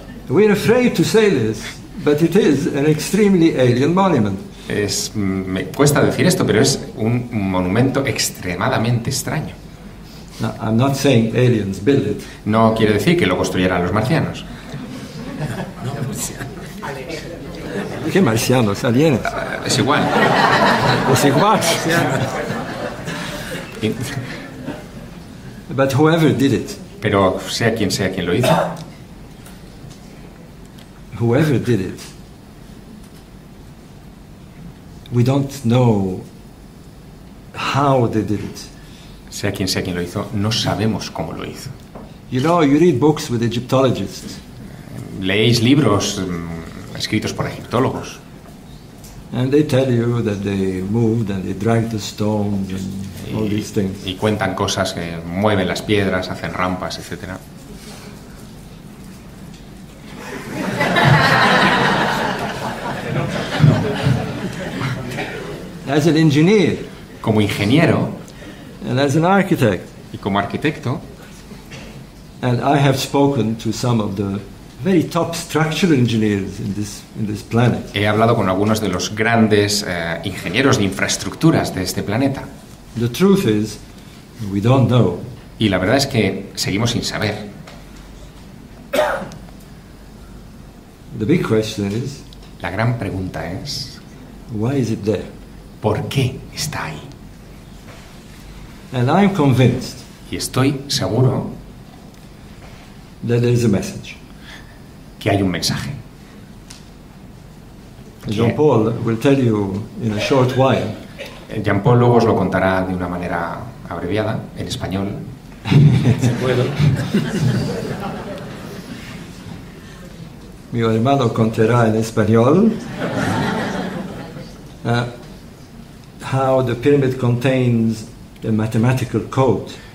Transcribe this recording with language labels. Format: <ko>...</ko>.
<en>We're afraid to say this, but it is an extremely alien monument.</en> <es>Es, me cuesta decir esto, pero es un monumento extremadamente extraño.</es> <en>No, I'm not saying aliens build it.</en> <es>No quiere decir que lo construyeran los marcianos. ¿Qué marcianos? ¿Alienes? Es igual. Es igual.</es> <en>But whoever did it.</en> <es>Pero sea quien lo hizo.</es> <en>Whoever did it. We don't know how they did it.</en> <es>Sea quien lo hizo, no sabemos cómo lo hizo.</es> <en>You know, you read books with Egyptologists.</en> <es>Leéis libros escritos por egiptólogos.</es> <en>And they tell you that they moved and they dragged the stones and all these things.</en> <es>Y cuentan cosas que mueven las piedras, hacen rampas, etcétera.</es> <en>As an engineer,</en> <es>como ingeniero,</es> <en>and as an architect,</en> <es>y como arquitecto,</es> <en>and I have spoken to some of the very top structural engineers in this planet.</en> <es>He hablado con algunos de los grandes ingenieros de infraestructuras de este planeta.</es> <en>The truth is, we don't know.</en> <es>Y la verdad es que seguimos sin saber.</es> <en>The big question is,</en> <es>la gran pregunta es,</es> <en>why is it there?</en> <es>¿Por qué está ahí?</es> <en>And I'm convinced,</en> <es>y estoy seguro,</es> <en>that there is a message.</en> <es>Que hay un mensaje.</es> <en>Jean-Paul will tell you in a short while.</en> <es>Jean-Paul luego os lo contará de una manera abreviada, en español. Si puedo. Mi hermano contará en español.</es> <en>How the pyramid contains a mathematical code.</en>